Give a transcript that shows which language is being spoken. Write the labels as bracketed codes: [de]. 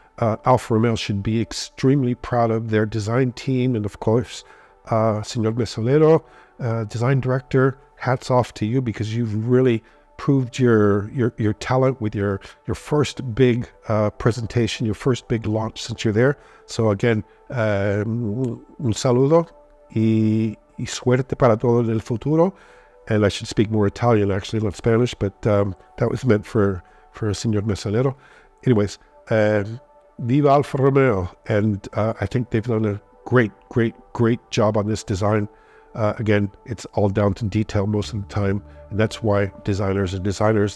[en] Alfa Romeo should be extremely proud of their design team. And of course, Signor Mesolero, design director, hats off to you, because you've really proved your talent with your first big presentation, your first big launch since you're there. So again, [es] un saludo y suerte para todo el futuro. [en] And I should speak more Italian, actually, not Spanish, but that was meant for Señor Mesolero. Anyways, viva Alfa Romeo. And I think they've done a great job on this design. Again, it's all down to detail most of the time. And that's why designers are designers.